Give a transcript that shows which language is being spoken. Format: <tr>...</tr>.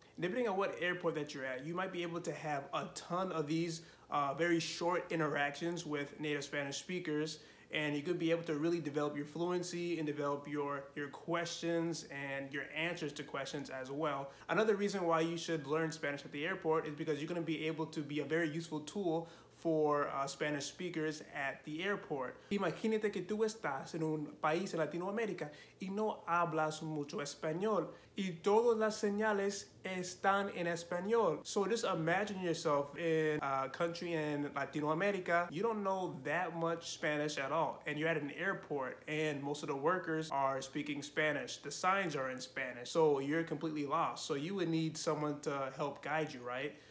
<en>Depending on what airport that you're at, you might be able to have a ton of these very short interactions with native Spanish speakers, and you could be able to really develop your fluency and develop your questions and your answers to questions as well. Another reason why you should learn Spanish at the airport is because you're gonna be able to be a very useful tool for Spanish speakers at the airport.</en> <es>Imagínate que tú estás en un país en Latinoamérica y no hablas mucho español, y todas las señales están en español.</es> <en>So just imagine yourself in a country in Latinoamérica, you don't know that much Spanish at all, and you're at an airport and most of the workers are speaking Spanish. The signs are in Spanish, so you're completely lost. So you would need someone to help guide you, right?</en>